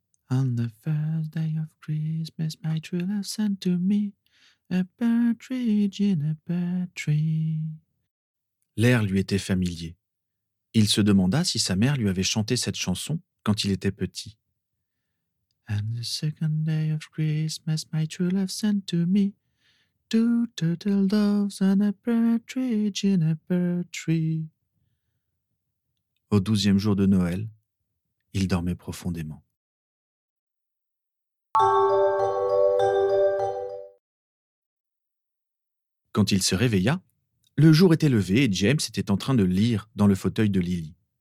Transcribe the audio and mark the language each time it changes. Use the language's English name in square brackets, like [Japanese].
[English] On the first day of Christmas, my true love sent to me a partridge in a pear tree. [French] L'air lui était familier. Il se demanda si sa mère lui avait chanté cette chanson quand il était petit. [English] And the second day of Christmas, my true love sent to me two turtle doves and a partridge in a pear tree. [French] Au 12e jour de Noël, il dormait profondément. Quand il se réveilla, le jour était levé et James était en train de lire dans le fauteuil de Lily.